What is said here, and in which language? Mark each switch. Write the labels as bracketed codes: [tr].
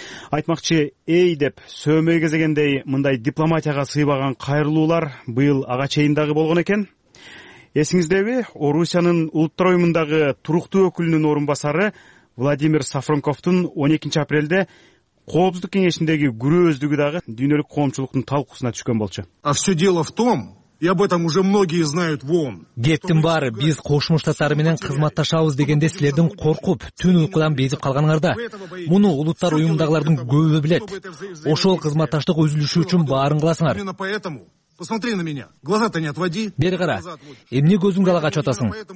[ky] Айтмакчы, эй деп сөөмө кезегендей мындай дипломатияга сыйбаган кайрылуулар быйыл ага чейин дагы болгон экен. Эсиңиздеби, Орусиянын Улуттар уюмундагы туруктуу өкүлүнүн орун басары Владимир Сафронковдун 12 апрелде коопсуздук кеңешиндеги күрөөздүгү дагы дүйнөлүк коомчулуктун талкуусуна түшкөн болчу. [ru] А все дело в том, и об этом уже многие знают в ООН. [ky] Кептин баары, биз Кошмо Штаттары менен кызматташабыз дегенде силердин коркуп, түн уйкудан безип калганыңарда. Муну улуттар уюмундагылардын көбү билет. Ошол кызматташтык үзүлүшү үчүн баарын кыласыңар. [ru] Посмотри на меня. Глаза-то не отводи. [ky] Бери кара. Эмне көзүң калагач атасың?